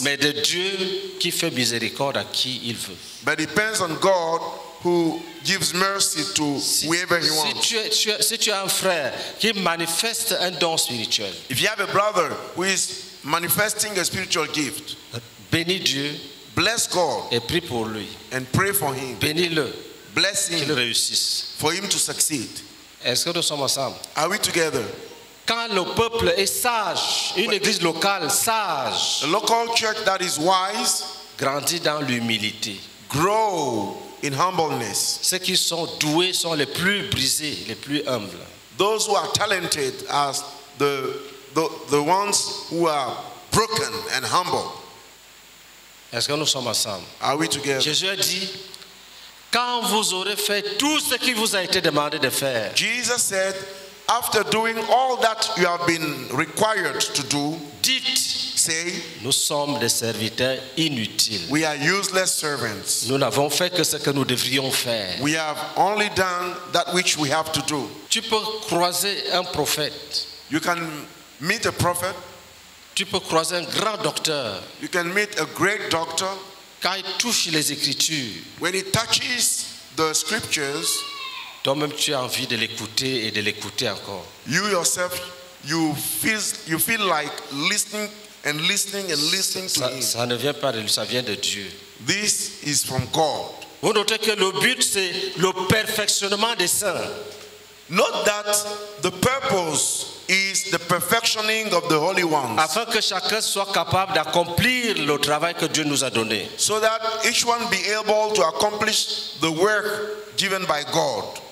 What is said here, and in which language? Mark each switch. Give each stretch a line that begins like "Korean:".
French: Mais de Dieu qui fait miséricorde à qui il veut.
English: But it depends on God who gives mercy to whoever he wants.
French: Si tu as un frère qui manifeste un don spirituel.
English: If you have a brother who is manifesting a spiritual gift.
French: Bénis Dieu.
English: Bless God.
French: Et prie pour lui.
English: And pray for him.
French: Bénis-le.
English: Bless him.
French: Qu'il réussisse.
English: For him to succeed.
French: Est-ce que nous sommes ensemble?
English: Are we together?
French: Quand le peuple est sage, une église locale sage.
English: A local church that is wise.
French: Grandit dans l'humilité.
English: Grow. In humbleness.
French: Ceux qui sont doués sont les plus brisés, les plus humbles.
English: Those who are talented are the ones who are broken and humble.
French: Est-ce que nous sommes ensemble?
English: Are we together?
French: Jésus a dit, quand vous aurez fait tout ce qui vous a été demandé de faire.
English: Jesus said, after doing all that you have been required to do.
French: Dites.
English: Say,
French: nous sommes des serviteurs inutiles.
English: We are useless servants.
French: Nous n'avons fait que ce que nous devrions faire.
English: We have only done that which we have to do.
French: Tu peux croiser un prophète.
English: You can meet a prophet.
French: Tu peux croiser un grand docteur.
English: You can meet a great doctor.
French: Quand il touche les écritures.
English: When he touches the scriptures.
French: Toi-même, tu as envie de l'écouter et de l'écouter encore.
English: You yourself, you feel like listening. And listening and listening to him.
French: Ça ne vient pas de lui, ça vient de Dieu.
English: This is from God.
French: Vous notez que le but c'est le perfectionnement des saints.
English: Note that the purpose is the perfectioning of the holy ones.
French: Afin que chacun soit capable d'accomplir le travail que Dieu nous a donné.
English: So that each one be able to accomplish the work given by God.